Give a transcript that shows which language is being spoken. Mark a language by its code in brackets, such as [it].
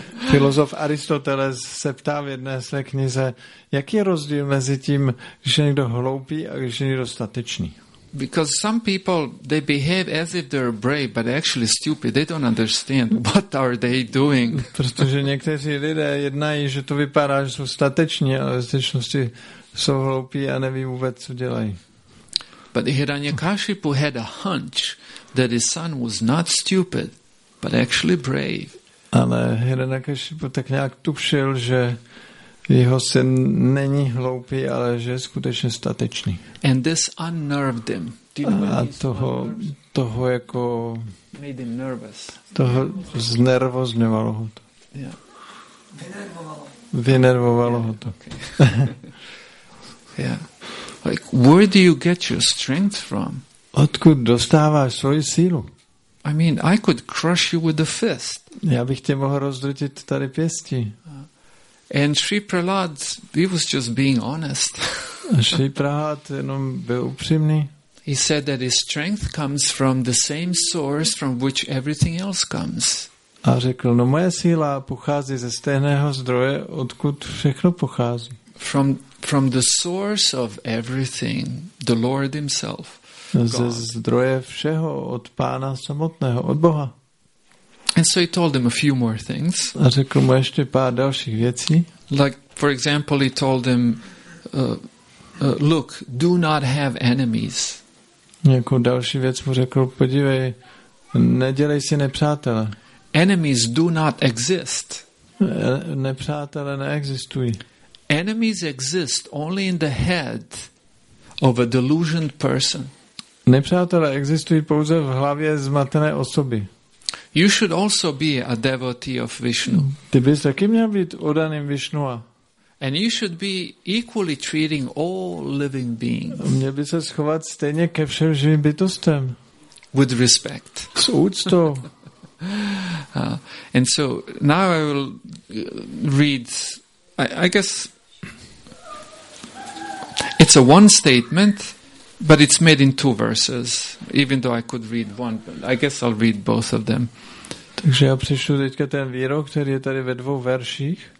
[cs] Filozof Aristoteles se ptá v jedné své knize, jaký je rozdíl mezi tím, že někdo hloupý a že někdo statečný? [en] Because some people, they behave as if they're brave, but actually stupid. They don't understand what are they doing. [cs] Protože někteří lidé jednají, že to vypadá, že jsou stateční, ale ve skutečnosti jsou hloupí a neví vůbec, co dělají. [en] But Hiranyakashipu had a hunch that his son was not stupid, but actually brave. [cs] Ale Hiranyakashipu tak nějak tušil, že jeho syn není hloupý, ale že je skutečně statečný. [en] And this unnerved him. [cs] A toho jako [en] made him nervous. [cs] Toho znervozňovalo ho to. [en] Yeah. [cs] Vynervovalo ho to. [en] Okay. Yeah. Like, where do you get your strength from? [cs] Odkud dostáváš svoji sílu? [en] I mean, I could crush you with a fist. [cs] Já bych tě mohl rozdrtit tady pěstí. [en] And Sri Prahlad, he was just being honest. [cs] Sri Prahlad jenom byl upřímný. [en] He said that his strength comes from the same source from which everything else comes. [cs] A řekl, no moje síla pochází ze stejného zdroje, odkud všechno pochází. [en] From the source of everything, the Lord himself. [cs] Ze zdroje všeho, od Pána samotného, od Boha. [en] And so he told him a few more things. [cs] A řekl mu ještě pár dalších věcí. [en] Like, for example, he told him, look, do not have enemies. [cs] Jako další věc mu řekl, podívej, nedělej si nepřátele. [en] Enemies do not exist. [cs] Nepřátelé neexistují. [en] Enemies exist only in the head of a delusioned person. [cs] Nepřátelé existují pouze v hlavě zmatené osoby. [en] You should also be a devotee of Vishnu. [cs] Ty bys taky měl být oddaným Vishnua. [en] And you should be equally treating all living beings. [cs] Měl by se schovat stejně ke všem živým bytostem. [en] With respect. [cs] S úctou. [en] And so now I will read. I guess it's a one statement. But it's made in two verses, even though I could read one, but I guess I'll read both of them. [cs] Takže já přečtu teďka ten výrok, který je tady ve dvou verších.